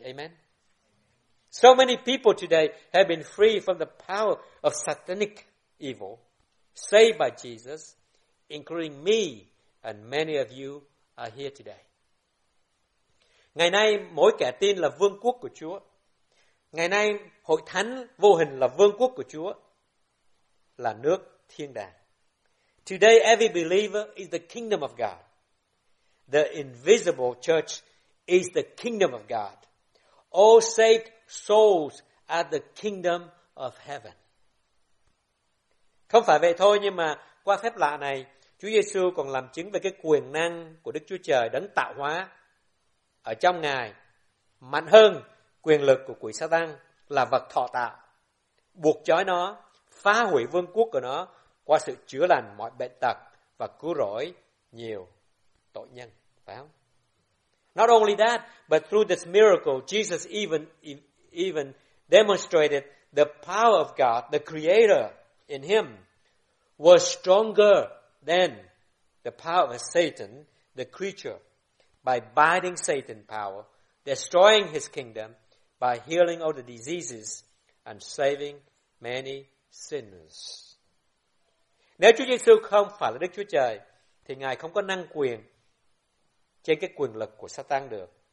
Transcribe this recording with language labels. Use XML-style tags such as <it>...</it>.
<en>Amen. So many people today have been free from the power of satanic evil, saved by Jesus, including me and many of you are here today.</en> <vi>Ngày nay mỗi kẻ tin là vương quốc của Chúa. Ngày nay hội thánh vô hình là vương quốc của Chúa, là nước thiên đàng.</vi> <en>Today every believer is the kingdom of God. The invisible church is the kingdom of God. All saved souls are the kingdom of heaven.</en> <vi>Không phải vậy thôi, nhưng mà qua phép lạ này, Chúa Giê-xu còn làm chứng về cái quyền năng của Đức Chúa Trời đấng tạo hóa ở trong Ngài, mạnh hơn quyền lực của quỷ Satan là vật thọ tạo, buộc trói nó, phá hủy vương quốc của nó qua sự chữa lành mọi bệnh tật và cứu rỗi nhiều tội nhân, phải không?</vi> <en>Not only that, but through this miracle, Jesus even demonstrated the power of God, the creator in him, was stronger than the power of Satan, the creature, by binding Satan's power, destroying his kingdom, by healing all the diseases and saving many sinners.</en> <vi>Nếu Chúa Giê-xu không phải là Đức Chúa Trời, thì Ngài không có năng quyền trên cái quyền lực của Satan được.</vi>